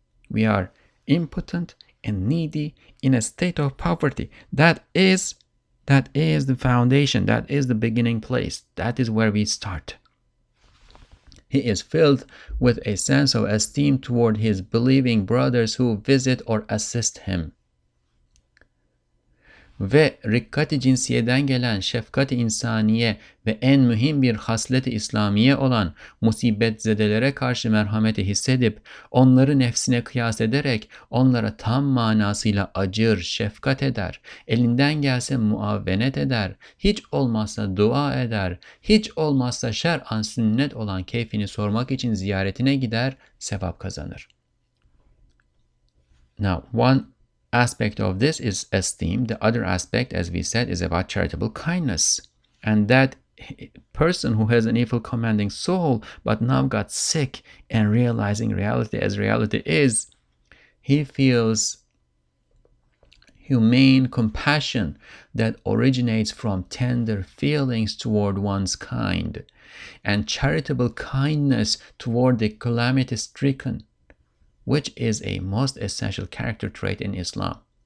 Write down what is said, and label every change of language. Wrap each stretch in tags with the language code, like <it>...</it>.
<en>We are impotent and needy, in a state of poverty. That is the foundation. That is the beginning place. That is where we start. He is filled with a sense of esteem toward his believing brothers who visit or assist him.</en> <tr>Ve rikkati cinsiyeden gelen şefkati insaniye ve en mühim bir hasleti İslamiye olan musibet zedelere karşı merhameti hissedip onları nefsine kıyas ederek onlara tam manasıyla acır, şefkat eder, elinden gelse muavenet eder, hiç olmazsa dua eder, hiç olmazsa şer'an sünnet olan keyfini sormak için ziyaretine gider, sevap kazanır.</tr> <en>Now, one aspect of this is esteem. The other aspect, as we said, is about charitable kindness. And that person who has an evil commanding soul but now got sick and realizing reality as reality is, he feels humane compassion that originates from tender feelings toward one's kind and charitable kindness toward the calamity stricken, which is a most essential character trait in Islam.</en>